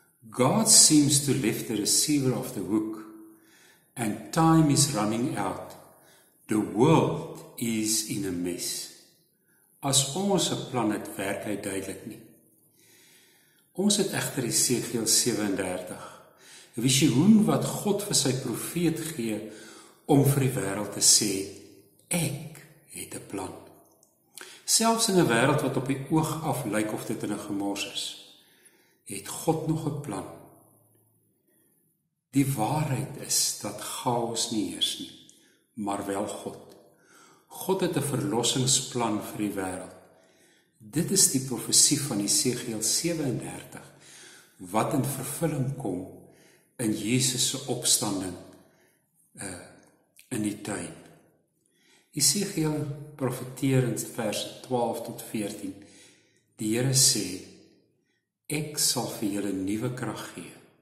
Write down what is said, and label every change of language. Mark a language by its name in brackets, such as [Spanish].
[English] God seems to lift the receiver of the hook, and time is running out. The world is in a mess." [Afrikaans] As ons plan het werk hy duidelik nie. Ons het echter Esegiël 37, een visioen wat God vir sy profeet gee om vir die wereld te sê, ek het 'n plan. Selfs in 'n wereld wat op die oog af lyk of dit in 'n gemors is, het God nog 'n plan. Die waarheid is dat chaos nie heers nie, maar wel God. God het 'n verlossingsplan vir die wereld. Dit is die profesie van Esegiël 37, wat in vervulling kom in Jesus' opstanding in die tuin. Esegiël profeteer in vers 12 tot 14, die Heere sê, "Ek sal vir julle nuwe krag gee.